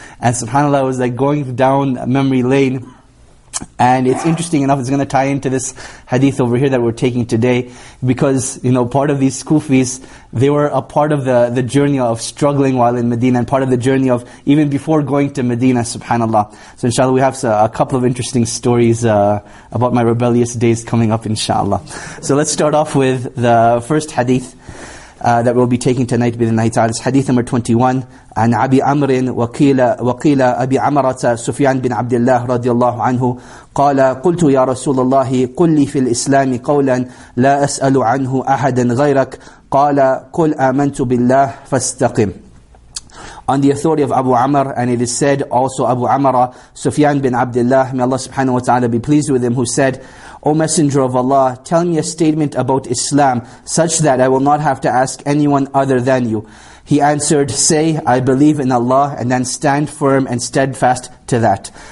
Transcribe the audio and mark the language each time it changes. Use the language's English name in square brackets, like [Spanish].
[English] And subhanAllah, I was like going down memory lane. And it's interesting enough, it's going to tie into this hadith over here that we're taking today, because, you know, part of these kufis, they were a part of the journey of struggling while in Medina, and part of the journey of even before going to Medina, subhanAllah. So inshallah, we have a couple of interesting stories about my rebellious days coming up, inshallah. So let's start off with the first hadith that we'll be taking tonight, bi'idhnillahi ta'ala. It's hadith number 21. [Arabic] عن أبي عمر وقيل أبي عمرة سفيان بن عبد الله رضي الله عنه قال قلت يا رسول الله قل لي في الإسلام قولا لا أسأل عنه أحدا غيرك قال قل آمنت بالله فاستقم. [English] On the authority of Abu Amr, and it is said also Abu Amr, Sufyan bin Abdullah, may Allah subhanahu wa ta'ala be pleased with him, who said, O Messenger of Allah, tell me a statement about Islam, such that I will not have to ask anyone other than you. He answered, say, I believe in Allah, and then stand firm and steadfast to that.